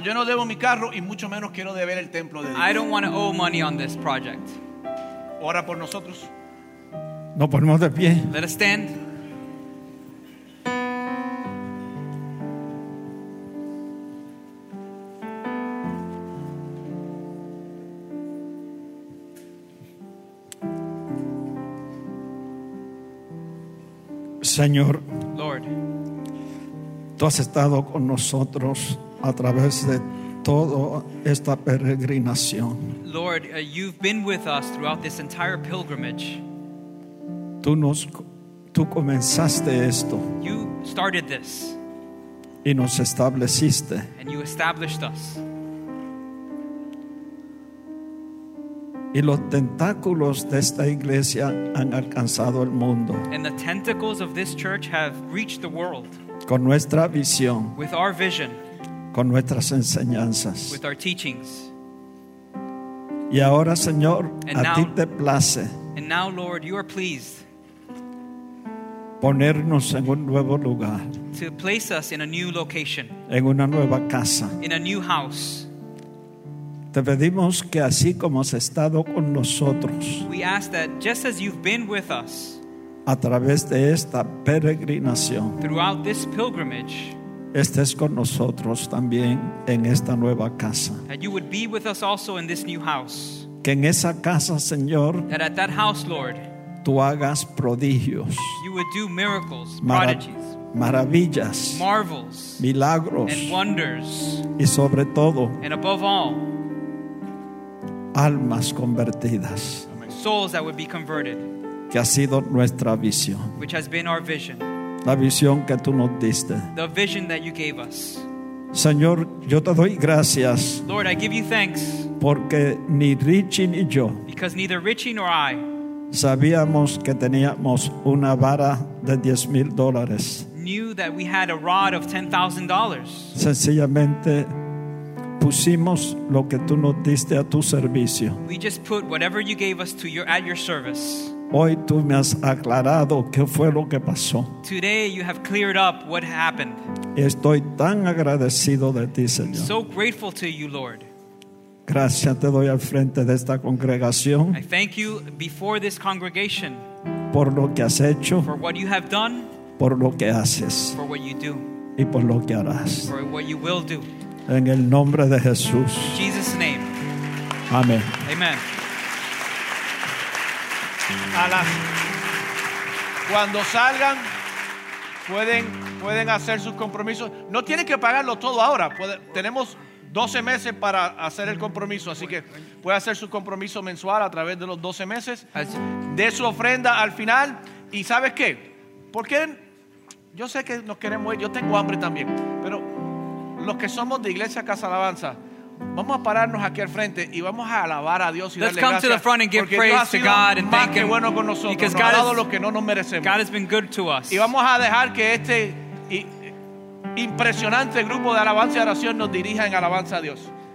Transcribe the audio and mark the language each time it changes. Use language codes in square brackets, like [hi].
[es] Yo no debo mi carro y mucho menos quiero deber el templo de Dios. [en] I don't want to owe money on this project. [es] Ora por nosotros. Nos ponemos de pie. [en] Let us stand. [es] Señor, [en] Lord, [es] tú has estado con nosotros a través de toda esta peregrinación. [en] Lord, you've been with us throughout this entire pilgrimage. [es] Tú comenzaste esto. [en] You started this. [es] y nos estableciste. [en] And you established us. [es] Y los tentáculos de esta iglesia han alcanzado el mundo. [en] And the tentacles of this church have reached the world. [es] Con nuestra visión. [en] With our vision. [es] Con nuestras enseñanzas. [en] With our teachings. [es] Y ahora, Señor, a ti te place. [en] And now, Lord, you are pleased. [es] Ponernos en un nuevo lugar. [en] To place us in a new location. [es] En una nueva casa. [en] In a new house. [es] Te pedimos que así como has estado con nosotros. [en] We ask that just as you've been with us. [es] A través de esta peregrinación. [en] Throughout this pilgrimage. [es] Estés con nosotros también en esta nueva casa. [en] That you would be with us also in this new house. [es] Que en esa casa, Señor. [en] That at that house, Lord. [es] Tú hagas prodigios. [en] You would do miracles, prodigies. [es] Maravillas. [en] Marvels. [es] Milagros. [en] And wonders. [es] Y sobre todo. [en] And above all. [es] Almas convertidas. [en] Souls that would be converted. [es] Que ha sido nuestra visión. [en] Which has been our vision. [es] La visión que tú nos diste. [en] The vision that you gave us. [es] Señor, yo te doy gracias. [en] Lord, I give you thanks. [es] Porque ni Richie ni yo. [en] Because neither Richie nor I. [es] Sabíamos que teníamos una vara de $10,000. [en] Knew that we had a rod of $10,000. [es] Sencillamente pusimos lo que tú nos diste a tu servicio. [en] We just put whatever you gave us to your, at your service. [es] Hoy tú me has aclarado qué fue lo que pasó. [en] Today you have cleared up what happened. [es] Estoy tan agradecido de ti, Señor. [en] So grateful to you, Lord. [es] Gracias te doy al frente de esta congregación. [en] I thank you before this congregation. [es] Por lo que has hecho. [en] For what you have done. [es] Por lo que haces. [en] For what you do. [es] Y por lo que harás. [en] For what you will do. [es] En el nombre de Jesús. [en] In Jesus' name. [es] Amén. [en] Amen. [es] Cuando salgan, pueden hacer sus compromisos. No tienen que pagarlo todo ahora. Tenemos 12 meses para hacer el compromiso, así que puede hacer su compromiso mensual a través de los 12 meses. De su ofrenda al final. Y ¿sabes qué? Porque yo sé que nos queremos ir, yo tengo hambre también, pero los que somos de Iglesia Casa Alabanza, vamos a pararnos aquí al frente y vamos a alabar a Dios y darle gracias. [en] Let's come to the front and give praise to God and thank Him. [es] Bueno, con nosotros, because God, nos ha dado lo que no nos merecemos. [en] God has been good to us. [es] Y vamos a dejar que este impresionante grupo de alabanza y oración nos dirija en alabanza a Dios.